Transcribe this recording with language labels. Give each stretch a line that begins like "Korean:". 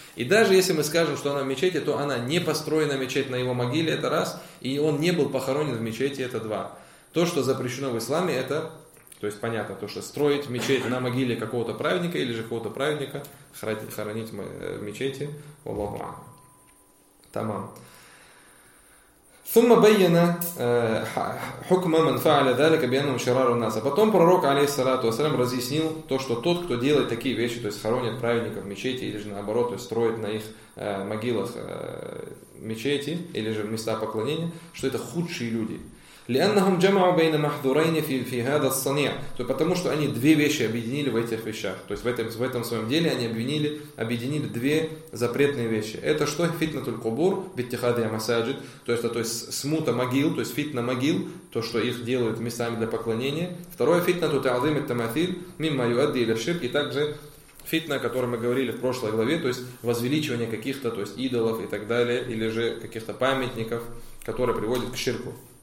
Russian: И даже если мы скажем, что она в мечети, то она не построена мечеть на его могиле, это раз. И он не был похоронен в мечети, это два. То, что запрещено в исламе, это, то есть понятно, то, что строить мечеть на могиле какого-то праведника или же какого-то праведника хоронить в мечети. Аллаху акбар. Тамам.
Arabic: ثم بين حكم من فعل ذلك بأنهم شرار الناس.
Russian: Потом пророк алейхиссалату вассалям разъяснил то, что тот, кто делает такие вещи, то есть хоронит праведников в мечети или же наоборот, то есть строит на их могилах мечети или же места поклонения, что это худшие люди.
Arabic: لأنهم جمعوا بين محذورين في هذا الصنيع.
Russian: То есть потому что они две вещи объединили в этих вещах. То есть в этом своем деле они объединили две запретные вещи. Это что?
Arabic: Фитнатуль кубур биттихады масаджид.
Russian: То есть смута могил, то есть фитна могил, то что их делают местами для поклонения. Второе
Arabic: фитнату таазим ат-тамасил мимма юадди иля ширк.
Russian: И также фитна, о которой мы говорили в прошлой главе, то есть возвеличивание каких-то, то есть идолов и так далее, или же каких-то памятников, которые приводят к ширку.